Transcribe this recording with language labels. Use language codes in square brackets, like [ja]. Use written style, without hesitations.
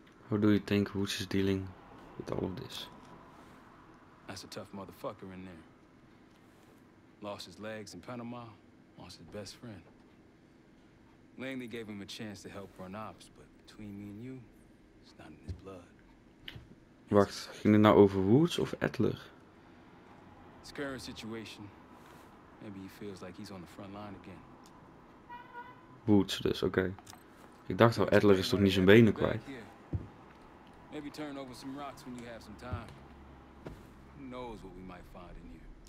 [en] How do you think Woods is dealing with all of this? That's a tough motherfucker in there. Lost his legs in Panama, lost his best friend. Langley gave him a chance to help run ops, but between me and you, it's not in his blood. [nl] Wacht, ging het nou over Woods of Adler? [en] His current situation. Maybe he feels like he's on the front line again. [nl] Woods, dus, okay. Ik dacht al, Adler is toch niet zijn benen kwijt. [en] Maybe turn over some rocks when you have some time. Who knows what we might find in here.